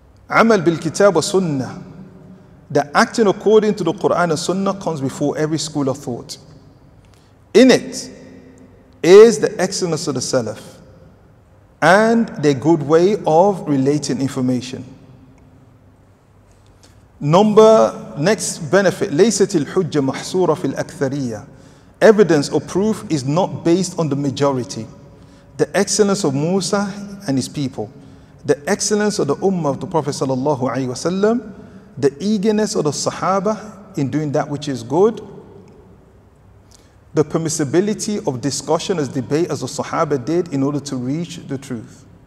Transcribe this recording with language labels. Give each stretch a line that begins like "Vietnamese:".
Arabic: عمل بالكتاب وسنة.
English: The acting according to the Quran and Sunnah comes before every school of thought. In it is the excellence of the Salaf and their good way of relating information. Number, next benefit,
Arabic: ليست الحجة محصورة في الأكثرية.
English: Evidence or proof is not based on the majority. The excellence of Musa and his people, the excellence of the Ummah of the Prophet sallallahu alaihi wasallam, the eagerness of the Sahaba in doing that which is good, the permissibility of discussion as debate as the Sahaba did in order to reach the truth.